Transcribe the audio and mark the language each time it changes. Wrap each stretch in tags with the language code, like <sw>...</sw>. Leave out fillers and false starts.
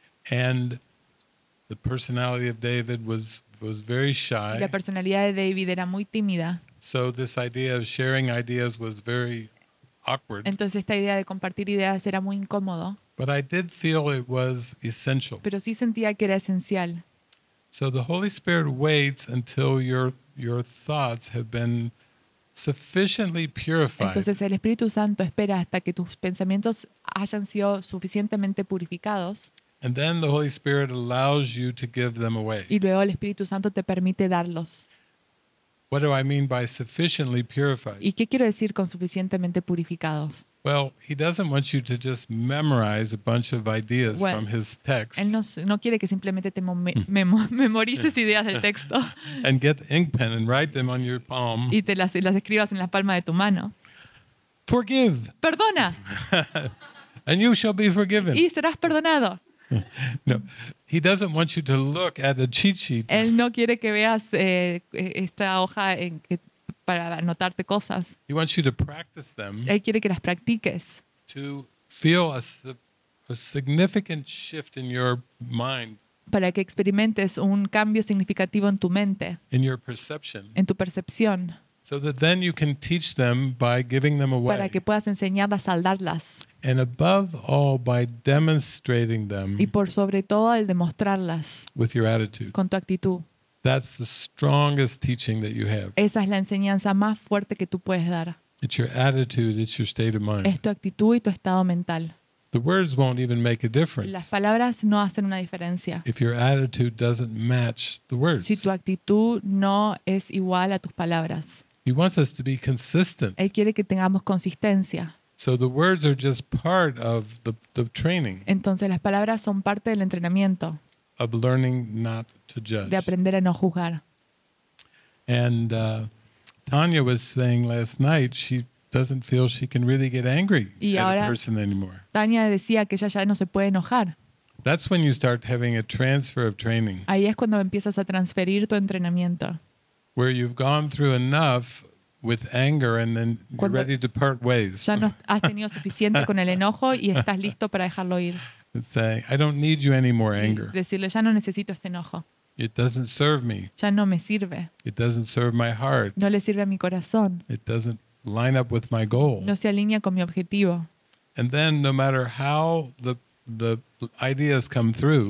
<en>And the personality of David was very shy.</en> <es>La personalidad de David era muy tímida.</es> <en>So this idea of sharing ideas was very awkward.</en> <es>Entonces esta idea de compartir ideas era muy incómodo.</es> <en>But I did feel it was essential.</en> <es>Pero sí sentía que era esencial.</es> <en>So the Holy Spirit waits until your thoughts have been sufficiently purified.</en> <es>Entonces el Espíritu Santo espera hasta que tus pensamientos hayan sido suficientemente purificados.</es> <en>And then the Holy Spirit allows you to give them away.</en> <es>Y luego el Espíritu Santo te permite darlos.</es> <en>What do I mean by sufficiently purified?</en> <es>¿Y qué quiero decir con suficientemente purificados?</es> <en>Well, he doesn't want you to just memorize a bunch of ideas from his text.</en> <es>Él no quiere que simplemente te memorices ideas del texto.</es> <en>And get the ink pen and write them on your palm.</en> <es>Y te las escribas en la palma de tu mano.</es> <en>Forgive.</en> <es>Perdona.</es> <en>And you shall be forgiven.</en> <es>Y serás perdonado.</es> <en>No, he doesn't want you to look at a cheat sheet.</en> <es>Él no quiere que veas esta hoja en que para anotarte cosas.</es> <en>He wants you to practice them.</en> <es>Él quiere que las practiques.</es> <en>To feel a significant shift in your mind.</en> <es>Para que experimentes un cambio significativo en tu mente.</es> <en>In your perception.</en> <es>En tu percepción.</es> <en>So that then you can teach them by giving them away.</en> <es>Para que puedas enseñarlas al darlas.</es> <en>And above all, by demonstrating them.</en> <es>Y por sobre todo al demostrarlas.</es> <en>With your attitude.</en> <es>Con tu actitud.</es> <en>That's the strongest teaching that you have.</en> <es>Esa es la enseñanza más fuerte que tú puedes dar.</es> <en>It's your attitude. It's your state of mind.</en> <es>Es tu actitud y tu estado mental.</es> <en>The words won't even make a difference.</en> <es>Las palabras no hacen una diferencia.</es> <en>If your attitude doesn't match the words.</en> <es>Si tu actitud no es igual a tus palabras.</es> <en>He wants us to be consistent.</en> <es>Él quiere que tengamos consistencia.</es> <en>So the words are just part of the training.</en> <es>Entonces las palabras son parte del entrenamiento.</es> <en>Of learning not to judge.</en> <es>De aprender a no juzgar.</es> <en>And Tanya was saying last night she doesn't feel she can really get angry at a person anymore.</en> <es>Tanya decía que ella ya no se puede enojar.</es> <en>That's when you start having a transfer of training.</en> <es>Ahí es cuando empiezas a transferir tu entrenamiento.</es> <en>Where you've gone through enough with anger and then you're ready to part ways.</en> <es>Ya no has tenido suficiente con el enojo y estás listo para dejarlo ir.</es> <en>And saying, I don't need you anymore, anger.</en> <es>Decirle, ya no necesito este enojo.</es> <en>It doesn't serve me.</en> <es>Ya no me sirve.</es> <en>It doesn't serve my heart.</en> <es>No le sirve a mi corazón.</es> <en>It doesn't line up with my goal.</en> <es>No se alinea con mi objetivo.</es> <en>And then, no matter how the ideas come through,</en>